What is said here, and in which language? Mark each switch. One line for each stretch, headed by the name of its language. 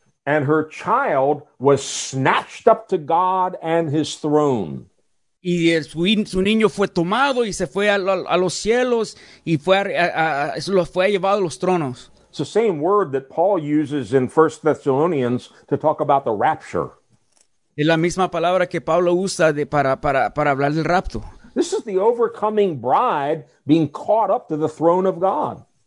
English: And her child was snatched up to God and his throne.
Spanish: Y su niño fue tomado y se fue a los cielos y fue llevado a los tronos.
English: It's the same word that Paul uses in 1 Thessalonians to talk about the rapture.
Spanish: Es la misma palabra que Pablo usa para hablar del rapto.
English: This is the overcoming bride being caught up to the throne of God.